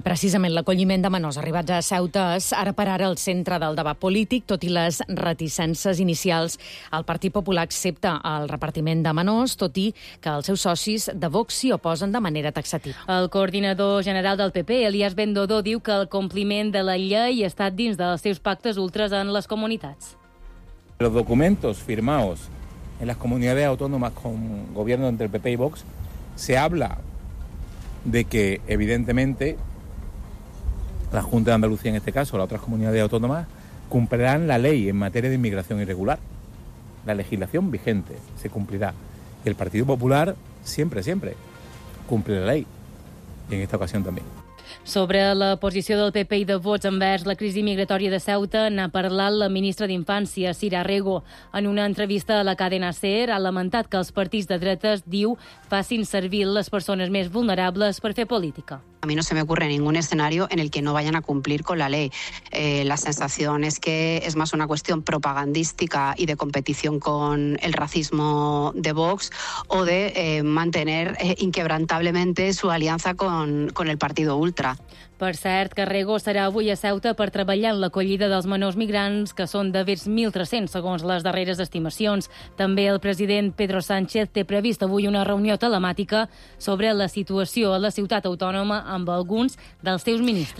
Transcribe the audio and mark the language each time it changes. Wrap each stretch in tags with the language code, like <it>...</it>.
<ca>I precisament l'acolliment de menors arribats a Ceuta és ara per ara el centre del debat polític, tot i les reticències inicials. El Partit Popular accepta el repartiment de menors, tot i que el seu socis de Vox s'hi oposen de manera taxativa. El coordinador general del PP, Elias Bendodo, diu que el compliment de la llei ha estat dins dels seus pactes ultras en les comunitats.</ca> <es>Los documentos firmados en las comunidades autónomas con gobierno entre PP y Vox se habla de que, evidentemente, la Junta de Andalucía, en este caso, las otras comunidades autónomas, cumplirán la ley en materia de inmigración irregular. La legislación vigente se cumplirá. El Partido Popular siempre cumple la ley, y en esta ocasión también.</es> <ca>Sobre la posició del PP i de Vox envers la crisi migratòria de Ceuta, n'ha parlat la ministra d'Infància, Cira Rego. En una entrevista a la cadena SER, ha lamentat que els partits de dretes, diu, facin servir les persones més vulnerables per fer política.</ca> <es>A mí no se me ocurre ningún escenario en el que no vayan a cumplir con la ley. La sensación es que es más una cuestión propagandística y de competición con el racismo de Vox o de mantener inquebrantablemente su alianza con el partido ultra.</es> <ca>Per cert, Carrego serà avui a Ceuta per treballar en l'acollida dels menors migrants, que són de vers 1.300, segons les darreres estimacions. També el president Pedro Sánchez té previst avui una reunió telemàtica sobre la situació a la ciutat autònoma amb alguns dels seus ministres.</ca>